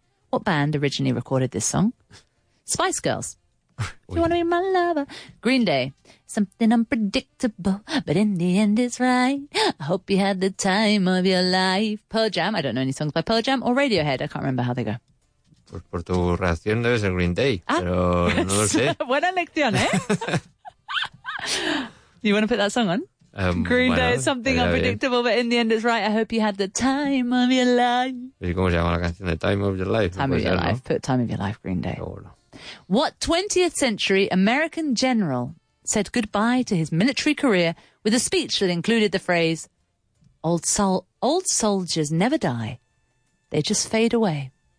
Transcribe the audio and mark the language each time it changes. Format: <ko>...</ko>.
<en>What band originally recorded this song? Spice Girls. Do you want to be my lover? Green Day. "Something unpredictable, but in the end it's right. I hope you had the time of your life." Pearl Jam. I don't know any songs by Pearl Jam. Or Radiohead. I can't remember how they go.</en> <es>Por tu reacción debe ser Green Day, pero no lo sé. Buena lección, ¿eh?</es> <en>You want to put that song on? Green Day, "Something Unpredictable, but in the end it's right. I hope you had the time of your life."</en> <es>¿Y cómo se llama la canción? "Time of Your Life."</es> <en>Time of Your Life. Put "Time of Your Life," Green Day.</en> <es>Hola.</es> <en>What 20th century American general said goodbye to his military career with a speech that included the phrase, "Old soldiers never die, they just fade away"?</en>